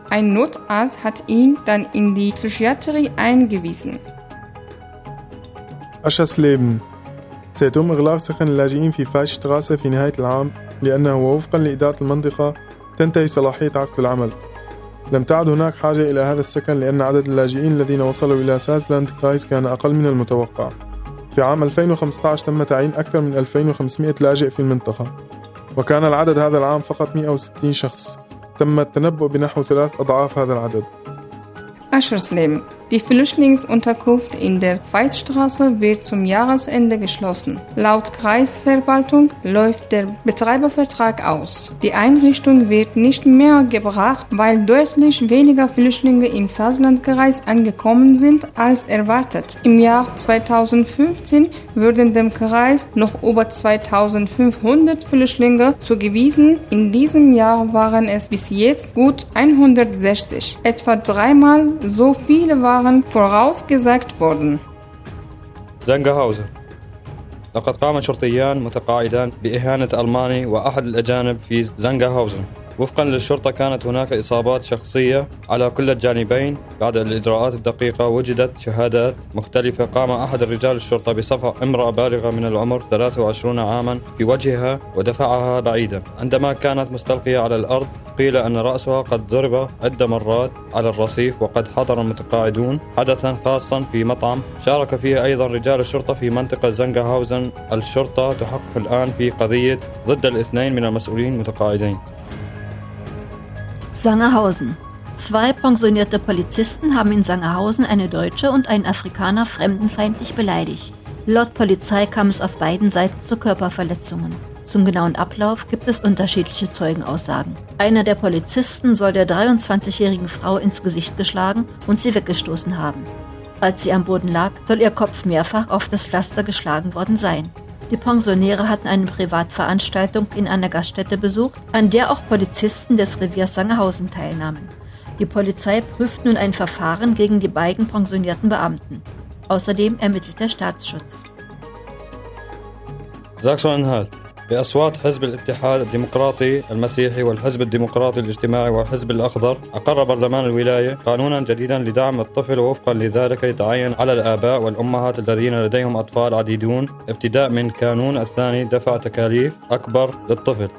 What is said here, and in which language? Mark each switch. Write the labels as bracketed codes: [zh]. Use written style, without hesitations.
[de] Ein Notarzt hat ihn dann in die Psychiatrie eingewiesen. Aschersleben. [ar] سيتم إغلاق سكن اللاجئين في فاش تراسة في نهاية العام، لأنه وفقاً لإدارة المنطقة تنتهي صلاحية عقد العمل. لم تعد هناك حاجة إلى هذا السكن، لأن عدد اللاجئين الذين وصلوا إلى سازلاند كرايس كان أقل من المتوقع. في عام 2015 تم تعيين أكثر من 2500 لاجئ في المنطقة، وكان العدد هذا العام فقط 160 شخص. تم التنبؤ بنحو 3 أضعاف هذا العدد. [de] Aschersleben. Die Flüchtlingsunterkunft in der Veitstraße wird zum Jahresende geschlossen. Laut Kreisverwaltung läuft der Betreibervertrag aus. Die Einrichtung wird nicht mehr gebraucht, weil deutlich weniger Flüchtlinge im Sazlandkreis angekommen sind als erwartet. Im Jahr 2015 wurden dem Kreis noch über 2500 Flüchtlinge zugewiesen. In diesem Jahr waren es bis jetzt gut 160. Etwa 3-mal so viele waren vorausgesagt worden. Sangerhausen. [ar] لقد قام شرطيان متقاعدان بإهانة ألماني وأحد الأجانب في زنغهاوزن. وفقا للشرطة كانت هناك إصابات شخصية على كل الجانبين. بعد الإجراءات الدقيقة وجدت شهادات مختلفة. قام أحد الرجال الشرطة بصفع امرأة بالغة من العمر 23 عاما في وجهها ودفعها بعيدا. عندما كانت مستلقية على الأرض قيل أن رأسها قد ضرب عدة مرات على الرصيف، وقد حضر المتقاعدون حدثا خاصا في مطعم شارك فيه أيضا رجال الشرطة في منطقة زنغهاوزن. الشرطة تحقق الآن في قضية ضد الاثنين من المسؤولين المتقاعدين. [de] Sangerhausen. Zwei pensionierte Polizisten haben in Sangerhausen eine Deutsche und einen Afrikaner fremdenfeindlich beleidigt. Laut Polizei kam es auf beiden Seiten zu Körperverletzungen. Zum genauen Ablauf gibt es unterschiedliche Zeugenaussagen. Einer der Polizisten soll der 23-jährigen Frau ins Gesicht geschlagen und sie weggestoßen haben. Als sie am Boden lag, soll ihr Kopf mehrfach auf das Pflaster geschlagen worden sein. Die Pensionäre hatten eine Privatveranstaltung in einer Gaststätte besucht, an der auch Polizisten des Reviers Sangerhausen teilnahmen. Die Polizei prüft nun ein Verfahren gegen die beiden pensionierten Beamten. Außerdem ermittelt der Staatsschutz. Sachsen-Anhalt. [ar] بأصوات حزب الاتحاد الديمقراطي المسيحي والحزب الديمقراطي الاجتماعي والحزب الأخضر أقر برلمان الولاية قانونا جديدا لدعم الطفل، ووفقا لذلك يتعين على الآباء والأمهات الذين لديهم أطفال عديدون ابتداء من كانون الثاني دفع تكاليف أكبر للطفل.